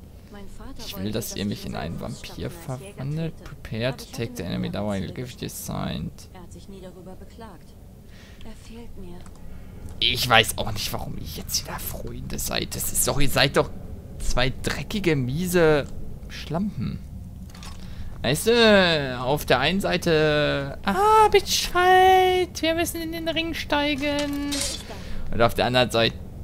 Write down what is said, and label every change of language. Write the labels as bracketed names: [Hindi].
[German] Mein Vater, ich will, dass ihr mich in einen Vampir verwandelt. [English] Prepare to take the enemy down while you give the sign. [German] Er hat sich nie darüber beklagt. Er fehlt mir. Ich weiß auch nicht, warum ich jetzt wieder Freunde seid. Das ist, sorry, seid doch zwei dreckige, miese Schlampen. Weißt du, auf der einen Seite. Ah, Bitchfight! Wir müssen in den Ring steigen! Und auf der anderen Seite.